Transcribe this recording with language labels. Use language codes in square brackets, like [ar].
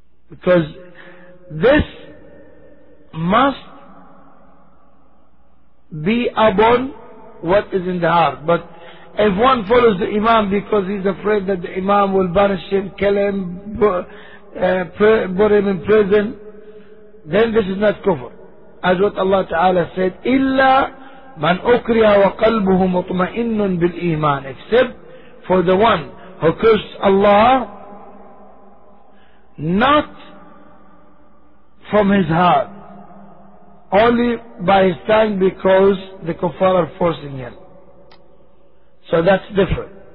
[en] Because this must be upon what is in the heart. But if one follows the Imam because he's afraid that the Imam will banish him, kill him, put him in prison, then this is not kufr. As what Allah Ta'ala said, [ar] إِلَّا مَنْ أُكْرِهَ وَقَلْبُهُ مُطْمَئِنٌ بِالْإِيمَانِ. [en] Except for the one who cursed Allah, not from his heart, only by his tongue, because the kuffar are forcing him. So that's different.